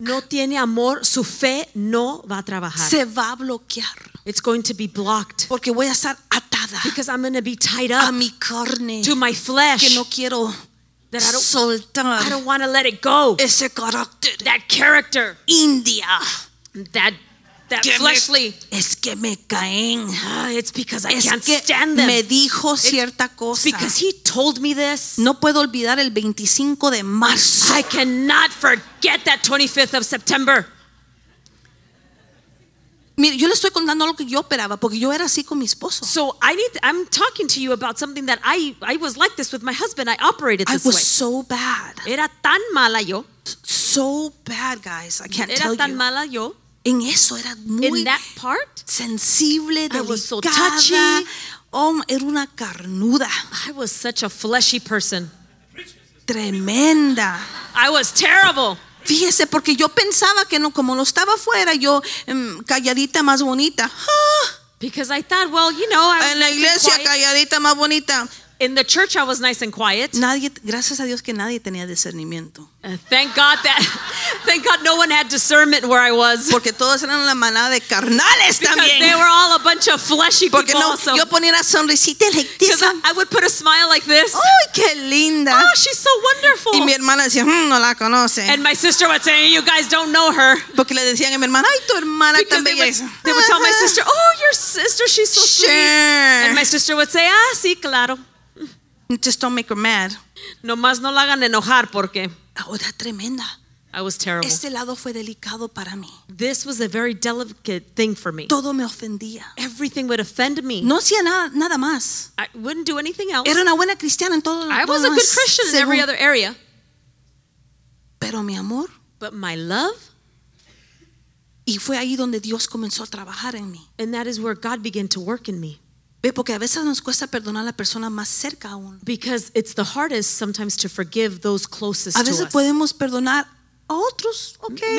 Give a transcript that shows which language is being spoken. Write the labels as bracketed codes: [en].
[es] No tiene amor, su fe no va a trabajar. Se va a bloquear. [en] It's going to be blocked. [es] Porque voy a estar atada. [en] Because I'm going to be tied up. [es] A mi carne. [en] To my flesh. [es] Que no quiero [en] that I don't want to let it go. [es] Ese carácter. [en] That character. India. That que fleshly. [es] Es que me caen. [en] It's because [es] es [en] I can't stand them. [es] Me dijo cierta cosa. [en] Because he told me this. [es] No puedo olvidar el 25 de marzo. [en] I cannot forget that 25th of September. [es] Mire, yo le estoy contando lo que yo operaba, porque yo era así con mi esposo. [en] So I'm talking to you about something that I was like this with my husband. I operated this way. I was so bad. [es] Era tan mala yo. [en] So bad, guys. I can't tell you. [es] Era tan mala yo. En eso era muy [en] in that part, [es] sensible, delicada. [en] I was so touchy. [es] Oh, era una carnuda. [en] I was such a fleshy person. [es] Tremenda. [en] I was terrible. [es] Fíjese, porque yo pensaba que no, como lo estaba afuera, yo calladita más bonita. [en] Because I thought, well, you know, I was [es] en la iglesia calladita más bonita. [en] In the church, I was nice and quiet. [es] Nadie, gracias a Dios que nadie tenía discernimiento. [en] Thank God no one had discernment where I was. [es] Porque todos eran la manada de carnales también. [en] Because they were all a bunch of fleshy [es] Porque [en] people. [es] Porque no, yo ponía una sonrisita like [en] this. I would put a smile like this. [es] Ay, qué linda. [en] Oh, she's so wonderful. [es] Y mi hermana decía, no la conoce. [en] And my sister would say, you guys don't know her. [es] Porque le decían a mi hermana, ay, tu hermana tan belleza. [en] They would tell my sister, oh, your sister, she's so sure. sweet. And my sister would say, [es] ah, sí, claro. [en] Just don't make her mad. [es] Nomás no la hagan enojar porque. Era tremenda. [en] I was terrible. [es] Este lado fue delicado para mí. [en] This was a very delicate thing for me. [es] Todo me ofendía. [en] Everything would offend me. [es] No hacía nada más. [en] I wouldn't do anything else. [es] Era una buena cristiana en todo lo [en] demás. I was a good Christian in every other area. [es] Pero mi amor. [en] But my love. [es] Y fue ahí donde Dios comenzó a trabajar en mí. [en] And that is where God began to work in me. [es] Porque a veces nos cuesta perdonar a la persona más cerca aún. [en] Because it's the hardest sometimes to forgive those closest to us. [es] A veces podemos perdonar a otros, okay.